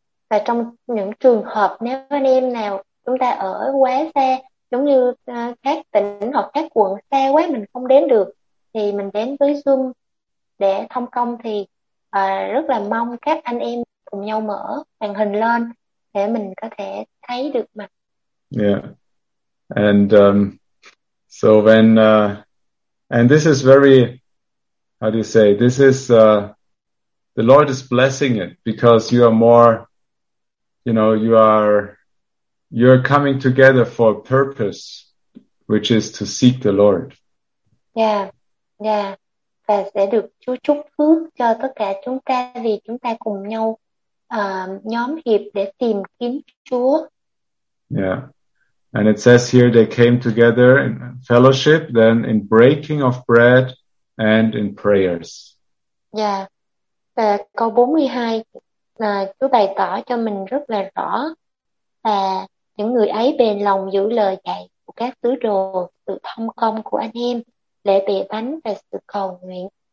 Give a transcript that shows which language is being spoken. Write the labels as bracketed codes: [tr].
[vi] và trong những trường hợp nếu anh em nào chúng ta ở quá xa, giống như các tỉnh hoặc các quận xa quá mình không đến được, thì mình đến với Zoom để thông công, thì rất là mong các anh em cùng nhau mở màn hình lên để mình có thể thấy được mặt. Yeah. [en] And so when and this is very, how do you say, this is the Lord is blessing it because you are more, you know, you're coming together for a purpose, which is to seek the Lord. Yeah, yeah. [vi] Và sẽ được Chúa chúc phước cho tất cả chúng ta vì chúng ta cùng nhau nhóm hiệp để tìm kiếm Chúa. Yeah. [en] And it says here they came together in fellowship, then in breaking of bread and in prayers. [vi] Yeah. Câu 42 là Chúa bày tỏ cho mình rất là rõ là những người ấy bền lòng giữ lời dạy của các sứ đồ, sự thông công của anh em, lễ bề bánh và sự cầu nguyện.